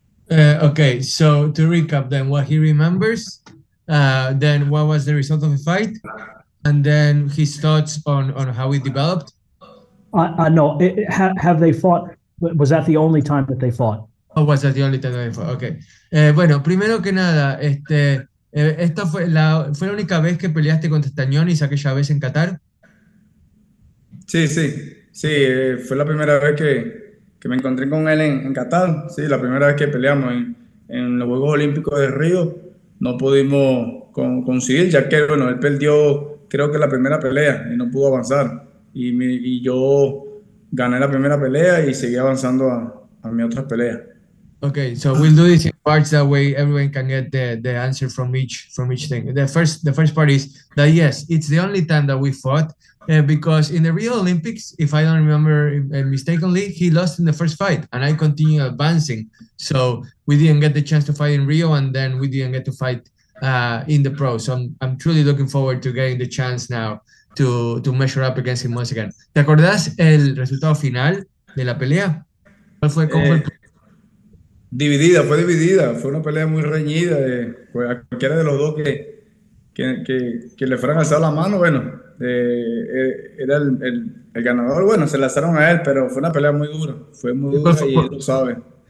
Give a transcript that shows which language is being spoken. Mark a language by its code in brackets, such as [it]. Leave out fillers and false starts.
[en] Okay, so to recap then, what he remembers, then what was the result of the fight, and then his thoughts on how it developed? Have they fought, was that the only time that they fought? Oh, was that the only time that they fought, okay. [es] Bueno, primero que nada, ¿esta fue la única vez que peleaste contra STANIONIS aquella vez en Qatar? Sí, fue la primera vez que me encontré con él en Qatar, sí, la primera vez que peleamos en los Juegos Olímpicos de Río, no pudimos conseguir, ya que, bueno, él perdió, creo que la primera pelea y no pudo avanzar, y yo gané la primera pelea y seguí avanzando a mi otra pelea. [en] Okay, so we'll do this in parts, that way everyone can get the answer from each thing. The first part is that yes, it's the only time that we fought, because in the Rio Olympics, if I don't remember mistakenly, he lost in the first fight and I continued advancing. So we didn't get the chance to fight in Rio and then we didn't get to fight in the pro. So I'm truly looking forward to getting the chance now to measure up against him once again. [es] ¿Te acordás el resultado final de la pelea? ¿Cuál fue? Dividida, fue una pelea muy reñida, pues a cualquiera de los dos que le fueran a hacer la mano, bueno, era el ganador, bueno, se la alzaron a él, pero fue una pelea muy dura, fue muy dura y él lo sabe.